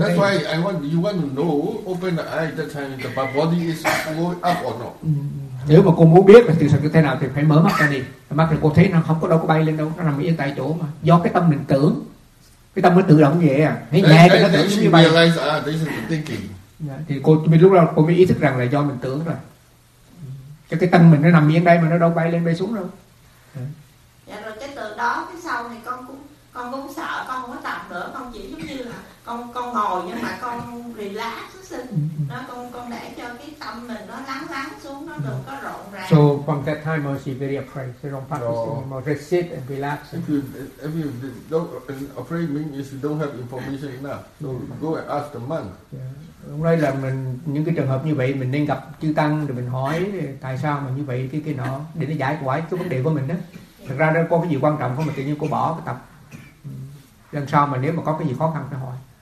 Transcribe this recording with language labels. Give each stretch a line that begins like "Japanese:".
English: That's why you want to know, open the eye at that time, the body is going up or not.
Vietnamese: Nếu mà cô muốn biết là từ sự như thế nào thì phải mở mắt ra đi. Mắt thì cô thấy nó không có đâu có bay lên đâu, nó nằm yên tại chỗ mà. Do cái tâm mình tưởng, cái tâm nó tự động như vậy à? Thấy nhẹ cái nó tưởng như vậy.
English: Thinking.
Vietnamese: Thì cô mới ý thức rằng là do mình tưởng rồi. Cái tâm mình nó nằm yên đây mà nó đâu bay lên bay xuống đâu. Dạ, rồi cái từ đó cái sau này con cũng sợ, con không có tập nữa, con chỉ giống như là con ngồi nhưng mà con relax xuất sinh. Nó con để cho cái tâm mình nó lắng xuống, nó đừng có rộn ràng.
English: So from that time on she very afraid, she don't practice anymore, just sit and relax. If you don't, afraid means you don't have information enough, so go and ask the monk. Yeah.
Vietnamese: Hôm nay là mình những cái trường hợp như vậy mình nên gặp chư tăng rồi mình hỏi tại sao mà như vậy cái nọ để nó giải quải cái vấn đề của mình đó. Thật ra nó có cái gì quan trọng không mà tự nhiên cô bỏ cái tập. Lần sau mà nếu mà có cái gì khó khăn phải hỏi.